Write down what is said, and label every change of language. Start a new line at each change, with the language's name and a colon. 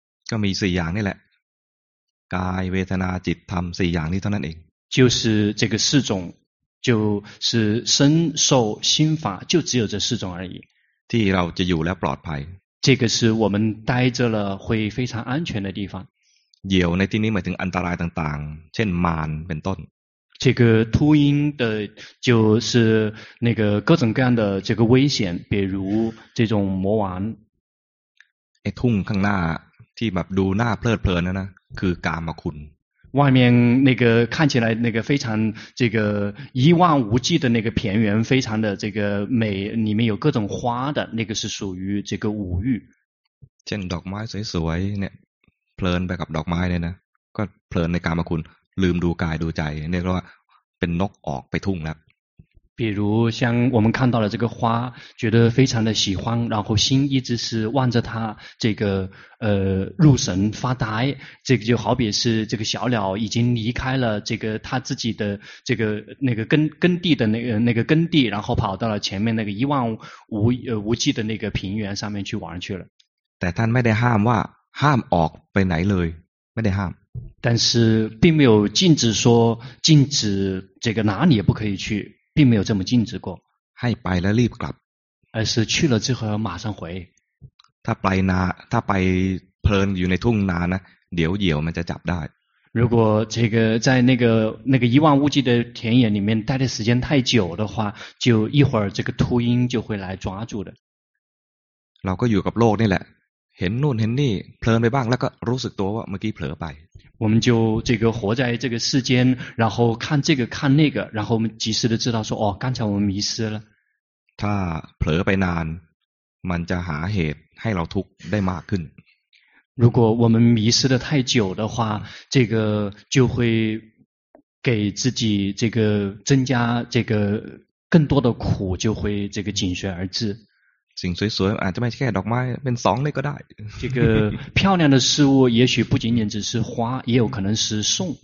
Thai: ก็มีสี่อย่างนี่แหละกายเวทนาจิตธรรมสี่อย่างนี้เท่านั้นเอง
Chinese: 就是这个四种，就是身受心法，就只有这四种而已。
Thai: ที่เราจะอยู่แล้วปลอดภัย
Chinese: 这个是我们待着了会非常安全的地方。
Thai: เหยี่ยวในที่นี้หมายถึงอันตรายต่างๆเช่นมารเป็นต้น
Chinese: 这个秃鹰的就是那个各种各样的这个危险比如这种魔王
Thai: ไอ้ทุ่งข้างหน้าที่แบบดูหน้าเพลิดเพลินนะคือกามคุณ
Chinese: 外面那个看起来那个非常这个一望无际的那个田园非常的这个美里面有各种花的那个是属于这个五欲
Thai: เช่นดอกไม้สวยๆเนี่ยเพลินไปกับดอกไม้เนี่ยนะก็เพลินในกามคุณลืมดูกายดูใจเนี่ยก็ว่าเป็นนกออกไปทุ่งแล้ว
Chinese: 比如像我们看到了这个花，觉得非常的喜欢，然后心一直是望着它，这个入神发呆。这个就好比是这个小鸟已经离开了这个它自己的这个那个耕地的那个耕地，然后跑到了前面那个一望无际的那个平原上面去玩去了。
Thai: แต่ท่านไม่ได้ห้ามว่าห้ามออกไปไหนเลยไม่ได้ห้าม。
Chinese: 但是并没有禁止说禁止这个哪里也不可以去。并没有这么禁止过，
Thai: ให้ไปแล้วรีบกลับ，
Chinese: 而是去了之后马上回。
Thai: ถ้าไปนาถ้าไปเพลินอยู่ในทุ่งนานะเดี๋ยวเหยี่ยวมันจะจับได้。
Chinese: 如果这个在那个一望无际的田野里面待的时间太久的话，就一会儿这个秃鹰就会来抓住的。
Thai: เราก็อยู่กับโลกนี่แหละเห็นนู่นเห็นนี่เพลินไปบ้างแล้วก็รู้สึกตัวว่าเมื่อกี้เผลอไป
Chinese: 我们就这个活在这个世间然后看这个看那个然后我们及时的知道说哦刚才我们迷失了
Thai: ถ้าเผลอไปนานมันจะหาเหตุให้เราทุกข์ได้มากขึ้น
Chinese: 如果我们迷失的太久的话这个就会给自己这个增加这个更多的苦就会这个紧随而至
Thai: สิ่งสวยๆอาจจะไม่ใช่แค่ดอกไม้เป็นสองนี่ก็ได้
Chinese: 这个漂亮的事物也许不仅仅只是花也有可能是送